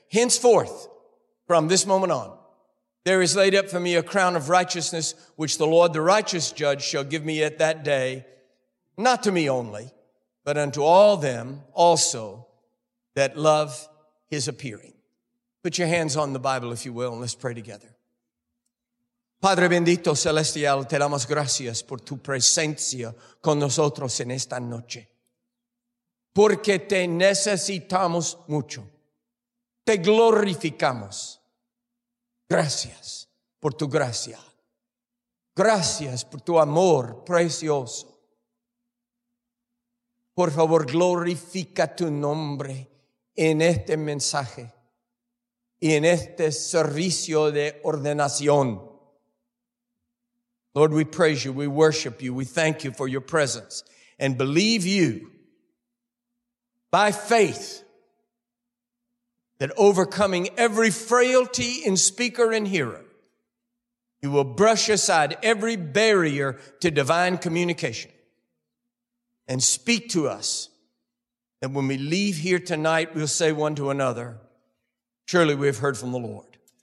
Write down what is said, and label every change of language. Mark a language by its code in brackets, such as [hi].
[en] Henceforth, from this moment on, there is laid up for me a crown of righteousness, which the Lord, the righteous judge, shall give me at that day, not to me only, but unto all them also that love his appearing. Put your hands on the Bible, if you will, and let's pray together. [es] Padre bendito celestial, te damos gracias por tu presencia con nosotros en esta noche. Porque te necesitamos mucho. Te glorificamos. Gracias por tu gracia. Gracias por tu amor precioso. Por favor, glorifica tu nombre en este mensaje y en este servicio de ordenación. [en] Lord, we praise you, we worship you, we thank you for your presence and believe you by faith that overcoming every frailty in speaker and hearer, you will brush aside every barrier to divine communication and speak to us that when we leave here tonight, we'll say one to another, surely we have heard from the Lord.